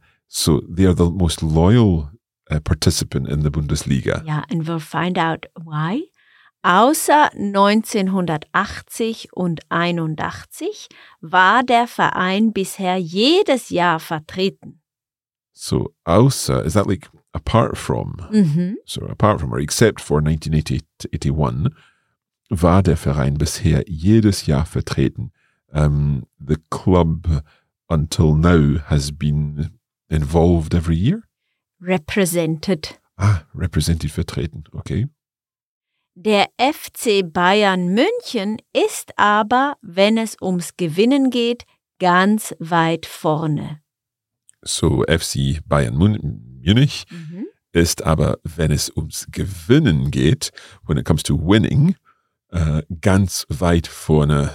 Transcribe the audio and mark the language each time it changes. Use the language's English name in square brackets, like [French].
[English] So they are the most loyal participant in the Bundesliga. Yeah, and we'll find out why. [German] Außer 1980 und 81 war der Verein bisher jedes Jahr vertreten. [English] So außer, is that like apart from? So apart from or except for [German] 1981 war der Verein bisher jedes Jahr vertreten. [English] The club until now has been involved every year? Represented. Ah, represented, vertreten, okay. [German] Der FC Bayern München ist aber, wenn es ums Gewinnen geht, ganz weit vorne. So, FC Bayern Munich ist aber, wenn es ums Gewinnen geht, [English] when it comes to winning, [German] ganz weit vorne.